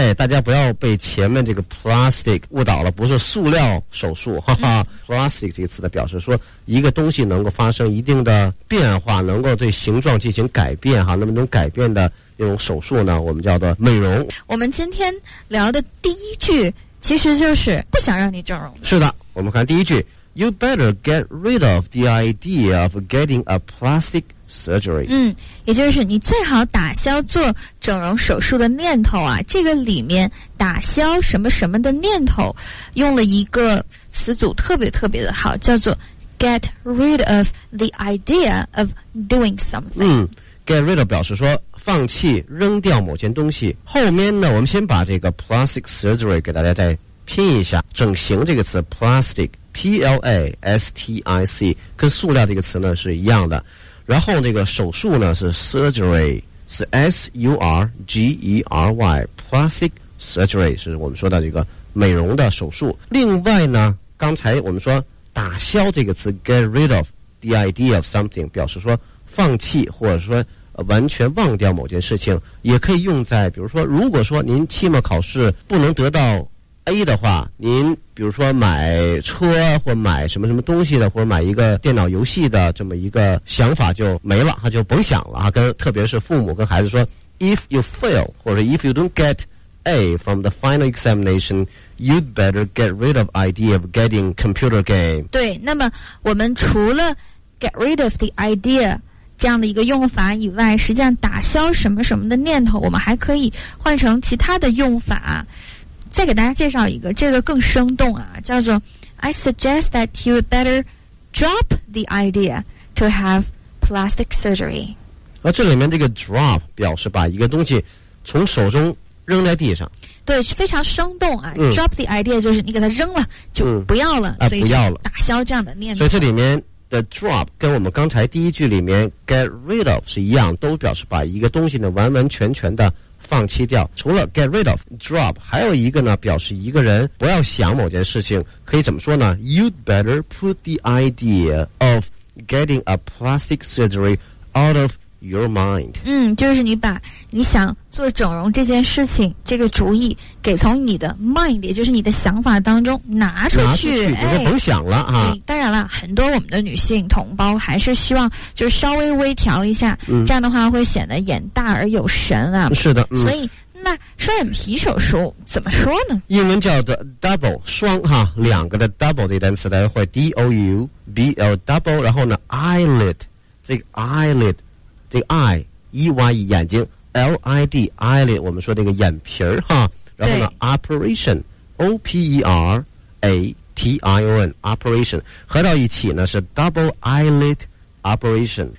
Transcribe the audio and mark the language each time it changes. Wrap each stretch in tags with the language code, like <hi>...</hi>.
<zh>大家不要被前面这个 plastic 误导了，不是塑料手术哈哈。 plastic 这个词的表示说一个东西能够发生一定的变化，能够对形状进行改变哈，那么能改变的那种手术呢我们叫做美容。我们今天聊的第一句其实就是不想让你整容。是的，我们看第一句</zh> <en>You better get rid of the idea of getting a plastic surgery。</en> <zh>也就是你最好打消做整容手术的念头啊。这个里面打消什么什么的念头用了一个词组特别特别的好，叫做</zh> <en>get rid of the idea of doing something。</en> <zh>get rid of 表示说放弃扔掉某件东西。后面呢我们先把这个 plastic surgery 给大家再拼一下，整形这个词 plastic plastic 跟塑料这个词呢是一样的，然后这个手术呢是 surgery， 是 surgery plastic surgery， 是我们说的这个美容的手术。另外呢，刚才我们说打消这个词</zh> <en>get rid of the idea of something</en> <zh>表示说放弃或者说完全忘掉某件事情，也可以用在比如说如果说您期末考试不能得到 A 的话，您比如说买车或买什么什么东西的或者买一个电脑游戏的这么一个想法就没了，他就甭想了啊。跟特别是父母跟孩子说</zh> <en>If you fail</en> <zh>或者</zh> <en>If you don't get A from the final examination you'd better get rid of idea of getting computer game。</en> <zh>对，那么我们除了</zh> <en>get rid of the idea</en> <zh>这样的一个用法以外，实际上打消什么什么的念头我们还可以换成其他的用法。再给大家介绍一个，这个更生动啊，叫做</zh> <en>I suggest that you better drop the idea to have plastic surgery。</en> <zh>而这里面这个 drop 表示把一个东西从手中扔在地上，对，非常生动啊。</zh> <en>drop the idea</en> <zh>就是你给它扔了就不要了，所以不要了，打消这样的念头。所以这里面the drop 跟我们刚才第一句里面 get rid of 是一样，都表示把一个东西呢完完全全的放弃掉。除了 get rid of, drop, 还有一个呢，表示一个人不要想某件事情，可以怎么说呢？</zh> <en>You'd better put the idea of getting a plastic surgery out of your mind.</en> <zh>嗯，就是你把你想做整容这件事情，这个主意给从你的 mind, 也就是你的想法当中拿出去。拿出去，你就甭想了啊。当然了，很多我们的女性同胞还是希望就稍微微调一下，这样的话会显得眼大而有神啊。是的，所以那双眼皮手术怎么说呢？英文叫做 double, 双哈，两个的 double 这单词大家会 D-O-U-B-L-double, 然后呢 eyelid, 这个 eyelid,这个 eye 眼睛 lid eyelid 我们说这个眼皮儿哈，然后呢 operation o p e r a t i o n operation 合到一起呢是 double eyelid operation.</zh>